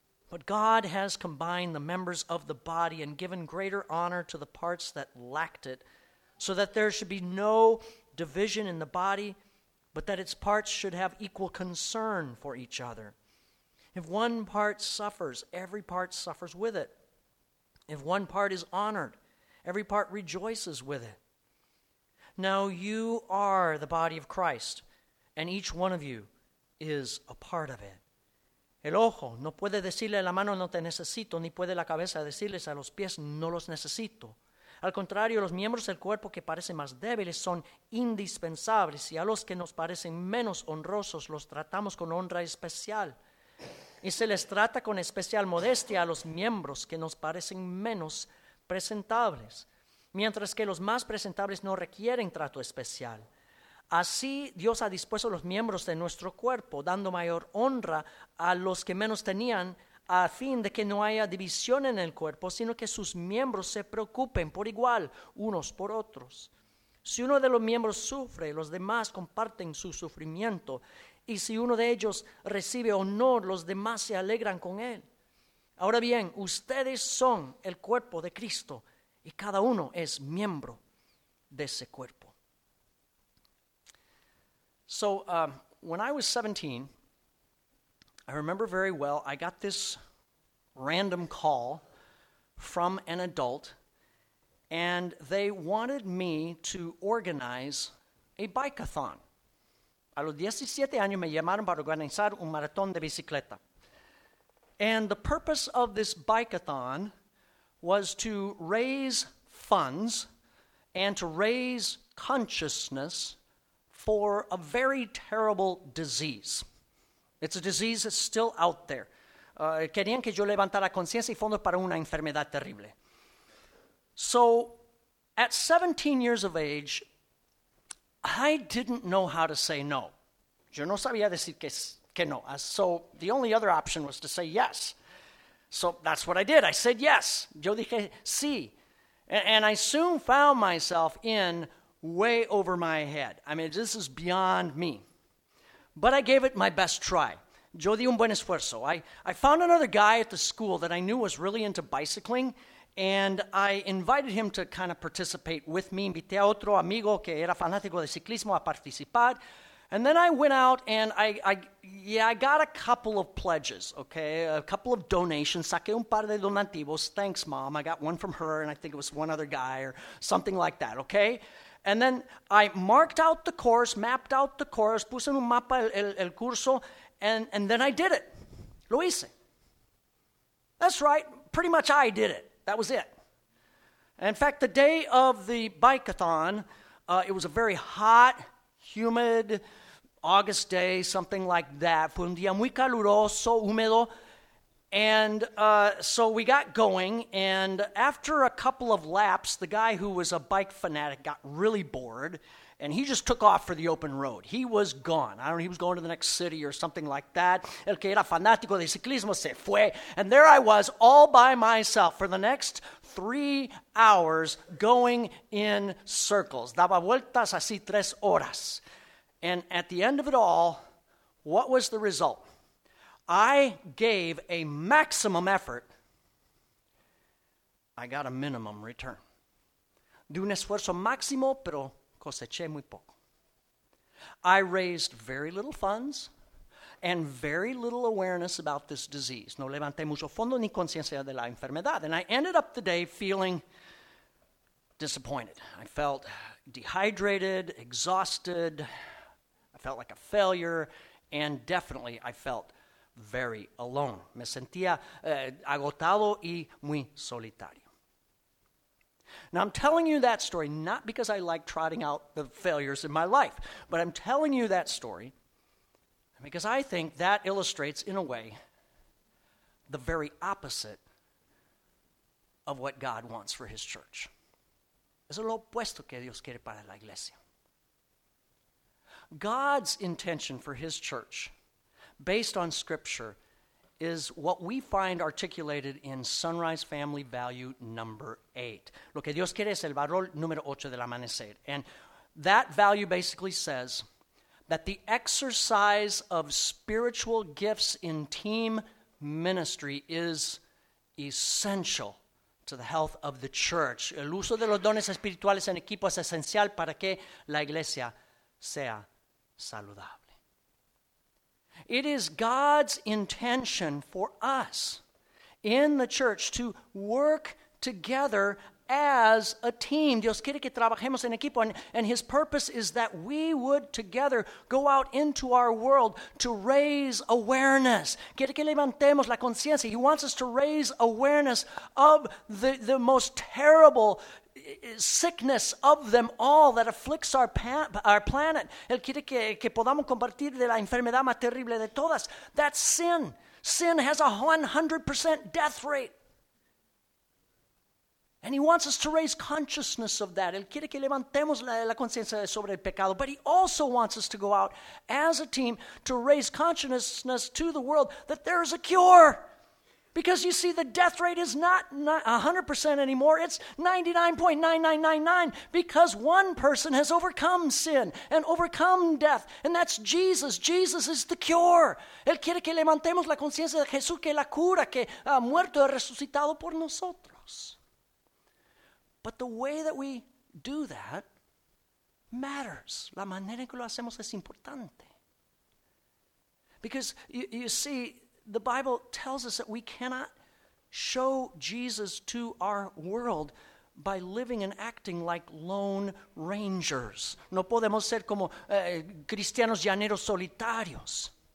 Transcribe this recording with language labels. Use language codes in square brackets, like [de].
[en] But God has combined the members of the body and given greater honor to the parts that lacked it, so that there should be no division in the body, but that its parts should have equal concern for each other. If one part suffers, every part suffers with it. If one part is honored, every part rejoices with it. Now you are the body of Christ, and each one of you is a part of it. [es] El ojo no puede decirle a la mano no te necesito, ni puede la cabeza decirles a los pies no los necesito. Al contrario, los miembros del cuerpo que parecen más débiles son indispensables, y a los que nos parecen menos honrosos los tratamos con honra especial. Y se les trata con especial modestia a los miembros que nos parecen menos presentables, mientras que los más presentables no requieren trato especial. Así, Dios ha dispuesto los miembros de nuestro cuerpo, dando mayor honra a los que menos tenían, a fin de que no haya división en el cuerpo, sino que sus miembros se preocupen por igual unos por otros. Si uno de los miembros sufre, los demás comparten su sufrimiento, y si uno de ellos recibe honor, los demás se alegran con él. Ahora bien, ustedes son el cuerpo de Cristo, y cada uno es miembro de ese cuerpo. [en] So when I was 17, I remember very well, I got this random call from an adult, and they wanted me to organize a bike-a-thon. [es] A los 17 años me llamaron para organizar un maratón de bicicleta. [en] And the purpose of this bike-a-thon was to raise funds and to raise consciousness for a very terrible disease. It's a disease that's still out there. [es] Querían que yo levantara conciencia y fondos para una enfermedad terrible. [en] So, at 17 years of age, I didn't know how to say no. [es] Yo no sabía decir que no. [en] So, the only other option was to say yes. So, that's what I did. I said yes. [es] Yo dije sí. [en] And I soon found myself in way over my head. I mean, this is beyond me. But I gave it my best try. [es] Yo di un buen esfuerzo. [en] I found another guy at the school that I knew was really into bicycling, and I invited him to kind of participate with me. [es] Invité a otro amigo que era fanático de ciclismo a participar. [en] And then I went out and I got a couple of pledges, okay, a couple of donations. [es] Saqué un par de donativos. [en] Thanks, Mom. I got one from her, and I think it was one other guy or something like that, okay? And then I marked out the course, mapped out the course, [es] puse en un mapa el curso, [en] and then I did it. [es] Lo hice. [en] That's right. Pretty much I did it. That was it. In fact, the day of the bike-a-thon, it was a very hot, humid August day, something like that. [es] Fue un día muy caluroso, húmedo. [en] And so we got going, and after a couple of laps, the guy who was a bike fanatic got really bored, and he just took off for the open road. He was gone. I don't know, he was going to the next city or something like that. [es] El que era fanático de ciclismo se fue. [en] And there I was, all by myself, for the next 3 hours, going in circles. [es] Daba vueltas así 3 horas. [en] And at the end of it all, what was the result? I gave a maximum effort. I got a minimum return. [es] Di un esfuerzo máximo, pero coseché muy poco. [en] I raised very little funds and very little awareness about this disease. [es] No levanté mucho fondo ni conciencia de la enfermedad. [en] And I ended up the day feeling disappointed. I felt dehydrated, exhausted. I felt like a failure. And definitely, I felt very alone. [es] Me sentía agotado y muy solitario. [en] Now, I'm telling you that story not because I like trotting out the failures in my life, but I'm telling you that story because I think that illustrates, in a way, the very opposite of what God wants for his church. [es] Es lo opuesto que Dios quiere para la iglesia. [en] God's intention for his church, based on Scripture, is what we find articulated in Sunrise Family Value number 8. [es] Lo que Dios quiere es el valor número 8 del amanecer. [en] And that value basically says that the exercise of spiritual gifts in team ministry is essential to the health of the church. [es] El uso de los dones espirituales en equipo es esencial para que la iglesia sea saludable. [en] It is God's intention for us in the church to work together as a team. [es] Dios quiere que trabajemos en equipo, [en] and his purpose is that we would together go out into our world to raise awareness. [es] Quiere que levantemos la conciencia. [en] He wants us to raise awareness of the most terrible sickness of them all that afflicts our planet. [es] Él quiere que podamos compartir de la enfermedad más terrible de todas. [en] That's sin. Sin has a 100% death rate. And he wants us to raise consciousness of that. [es] Él quiere que levantemos la conciencia sobre el pecado. [en] But he also wants us to go out as a team to raise consciousness to the world that there is a cure. Because you see, the death rate is not 100% anymore. It's 99.9999 because one person has overcome sin and overcome death. And that's Jesus. Jesus is the cure. [es] Él quiere que levantemos la conciencia de Jesús que la cura, que ha muerto y resucitado por nosotros. [en] But the way that we do that matters. [es] La manera en que lo hacemos es importante. [en] Because you see, the Bible tells us that we cannot show Jesus to our world by living and acting like lone rangers. [es] No podemos ser como cristianos llaneros solitarios.